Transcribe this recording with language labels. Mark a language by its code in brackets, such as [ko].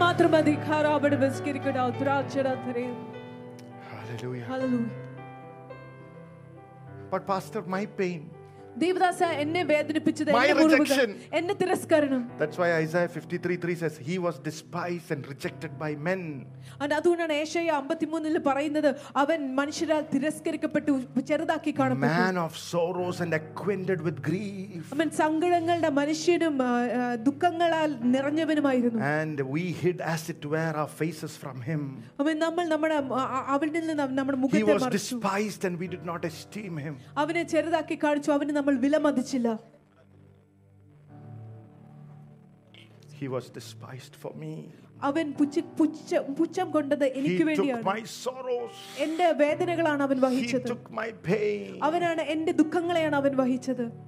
[ml] mathram adhikara avadu viskirikada uthrachada thare. [en] Hallelujah. Hallelujah. But pastor, my pain, [ml] ദേവദാസാ എന്നെ വേദനിപ്പിച്ചത്, [en] my rejection, [ml] എന്നെ തിരസ്കരണം. [en] That's why Isaiah 53:3 says he was despised and rejected by men. [ml] അതുകൊണ്ടാണ് Isaiah 53-ൽ പറയുന്നത് അവൻ മനുഷ്യരാൽ തിരസ്കരിക്കപ്പെട്ടു, ചെറുതാക്കി കാണപ്പെട്ടു. [en] Man of sorrows and acquainted with grief. [ml] അവൻ സങ്കടങ്ങളുടെ മനുഷ്യനും ദുഃഖങ്ങളാൽ നിറഞ്ഞവനുമായിരുന്നു. [en] And we hid as it were our faces from him. [ml] അവൻ നമ്മൾ നമ്മുടെ അവനിൽ നിന്ന് നമ്മുടെ മുഖത്തെ മറച്ചു. [en] He was despised and we did not esteem him. [ml] അവനെ ചെറുതാക്കി കാണിച്ചു, നമ്മൾ വിലമതിച്ചില്ല. [en] He was despised for me. [ml] അവൻ പുച്ഛം കൊണ്ടത് എനിക്ക് വേണ്ടിയാണ്. എന്റെ വേദനകളാണ് അവൻ വഹിച്ചത്. അവനാണ് എന്റെ ദുഃഖങ്ങളെയാണ് അവൻ വഹിച്ചത്.